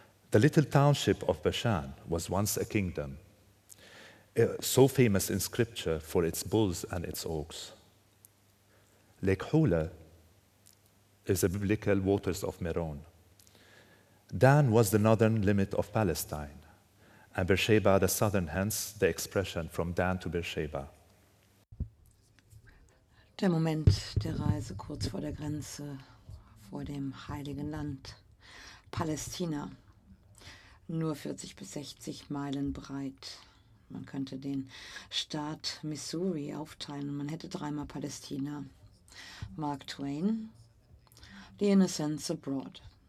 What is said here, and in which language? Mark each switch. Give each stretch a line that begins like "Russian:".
English: The little township of Bashan was once a kingdom, so famous in scripture for its bulls and its oaks. Lake Hule is the biblical waters of Meron. Dan was the northern limit of Palestine, and Beersheba the southern, hence the expression from Dan to Beersheba.
German: Der Moment der Reise kurz vor der Grenze, vor dem heiligen Land, Palästina, nur 40 bis 60 Meilen breit. Man könnte den Staat Missouri aufteilen, man hätte dreimal Palästina.
English: Mark Twain, The Innocents Abroad.